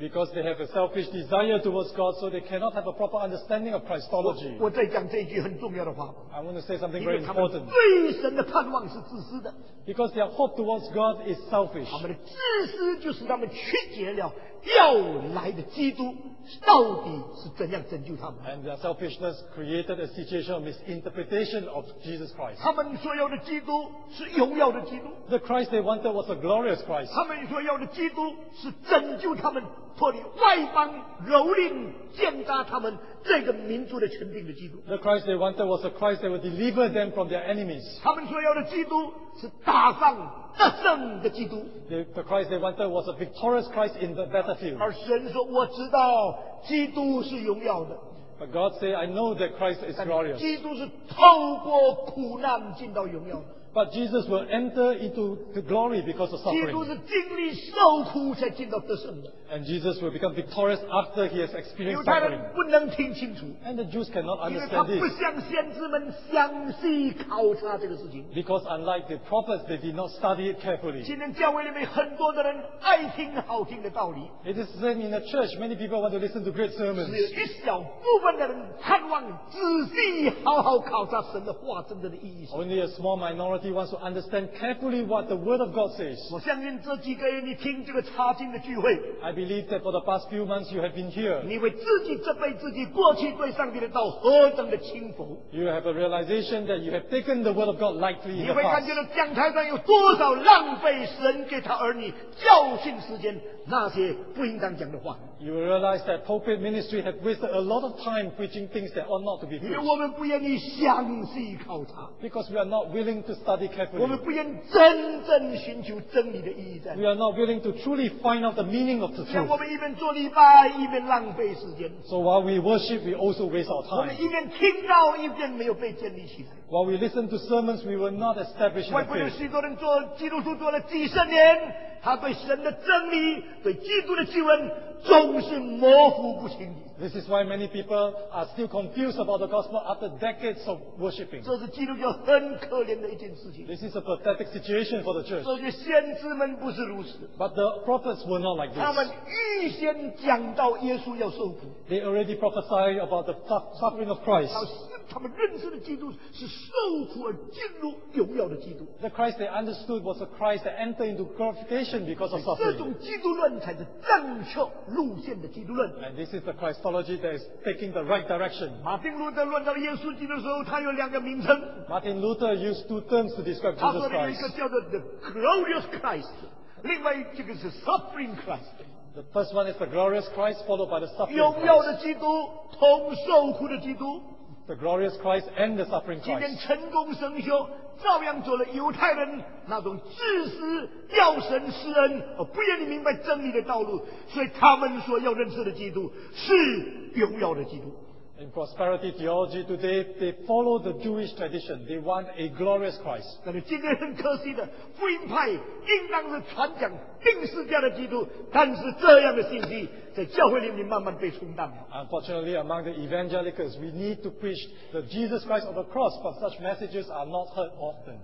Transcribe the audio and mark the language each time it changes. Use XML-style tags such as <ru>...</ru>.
<en>Because they have a selfish desire towards God, so they cannot have a proper understanding of Christology.</en> <zh>我在讲这一句很重要的话。</zh> <en>I want to say something very important.</en> <zh>因为他们对神的盼望是自私的。</zh> <en>Because their hope towards God is selfish.</en> <zh>他们的自私就使他们曲解了。要来的基督到底是怎样拯救他们？</zh> <en>And their selfishness created a situation of misinterpretation of Jesus Christ.</en> <zh>他们所要的基督是荣耀的基督。</zh> <en>The Christ they wanted was a glorious Christ.</en> <zh>他们所要的基督是拯救他们脱离外邦蹂躏践踏他们这个民族的权柄的基督。</zh> <en>The Christ they wanted was a Christ that would deliver them from their enemies.</en> <zh>他们所要的基督是打仗得胜的基督。</zh> <en>The Christ they wanted was a victorious Christ in the battlefield.</en> <zh>而神说我知道基督是荣耀的。</zh> <en>But God said, I know that Christ is glorious.</en> <zh>基督是透过苦难进到荣耀的。</zh> <en>But Jesus will enter into the glory because of suffering.</en> <zh>基督是经历受苦才进到得胜的。</zh> <en>And Jesus will become victorious after he has experienced suffering.</en> <zh>犹太人不能听清楚。</zh> <en>And the Jews cannot understand this.</en> <zh>因为他不像先知们详细考察这个事情。</zh> <en>Because unlike the prophets, they did not study it carefully.</en> <zh>今天教会里面很多的人爱听好听的道理。</zh> <en>It is the same in the church. Many people want to listen to great sermons.</en> <zh>只有一小部分的人盼望仔细好好考察神的话真正的意义。</zh> <en>Only a small minority. He wants to understand carefully what the Word of God says.</en> <zh>我相信这几个月你听这个查经的聚会。</zh> <en>I believe that for the past few months you have been here.</en> <zh>你为自己这辈自己过去对上帝的道何等的轻浮。</zh> <en>You have a realization that you have taken the Word of God lightly in the past.</en> <zh>你会感觉到讲台上有多少浪费神给他儿女教训时间那些不应当讲的话。</zh> <en>You will realize that pulpit ministry has wasted a lot of time preaching things that ought not to be preached.</en> <zh>因为我们不愿意详细考察。</zh> <en>Because we are not willing to study carefully.</en> <zh>我们不愿真正寻求真理的意义在。</zh> <en>We are not willing to truly find out the meaning of the truth.</en> <zh>像我们一边做礼拜一边浪费时间。</zh> <en>So while we worship, we also waste our time.</en> <zh>我们一边听到一边没有被建立起来。</zh> <en>While we listen to sermons, we will not establish the faith.</en> <zh>外国有许多人做基督徒做了几十年，他对神的真理，对基督的救恩。总是模糊不清。</zh> <en>This is why many people are still confused about the gospel after decades of worshipping.</en> <zh>这是基督教很可怜的一件事情。</zh> <en>This is a pathetic situation for the church.</en> <zh>这些先知们不是如此。</zh> <en>But the prophets were not like this.</en> <zh>他们预先讲到耶稣要受苦。</zh> <en>They already prophesied about the suffering of Christ.</en> <zh>他们认识的基督是受苦而进入荣耀的基督。</zh> <en>The Christ they understood was a Christ that entered into glorification because of suffering.</en> <zh>这种基督论才是正确路线的基督论。</zh> <en>And this is the Christ. Christology that is taking the right direction.</en> <zh>马丁路德论到耶稣基督的时候，他有两个名称。</zh> <en>Martin Luther used two terms to describe Jesus Christ.</en> <zh>他说的一个叫做</zh> <en>the glorious Christ，</en> <zh>另外这个是</zh> <en>suffering Christ。 The first one is the glorious Christ followed by the suffering Christ。</en> <zh>荣耀的基督同受苦的基督。</zh> <en>the glorious Christ and the suffering Christ.</en> <zh>今天成功神学照样做了犹太人那种自私要神施恩而不愿意明白真理的道路，所以他们所要认识的基督是荣耀的基督。</zh> <en>In prosperity theology today, they follow the Jewish tradition. They want a glorious Christ.</en> <zh>但是今天很可惜的，福音派应当是传讲钉十字架的基督，但是这样的信息在教会里面慢慢被冲淡了。</zh> <en>Unfortunately, among the evangelicals, we need to preach the Jesus Christ of the cross, but such messages are not heard often.</en>